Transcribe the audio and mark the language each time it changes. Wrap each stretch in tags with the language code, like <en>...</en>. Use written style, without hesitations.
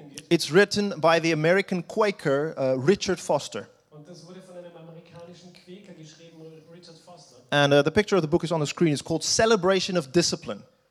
<en>It's written by the American Quaker, Richard Foster.</en> <de>Und das wurde von einem amerikanischen Quäker geschrieben, Richard Foster.</de> <en>And the picture of the book is on the screen. It's called Celebration of Discipline.</en>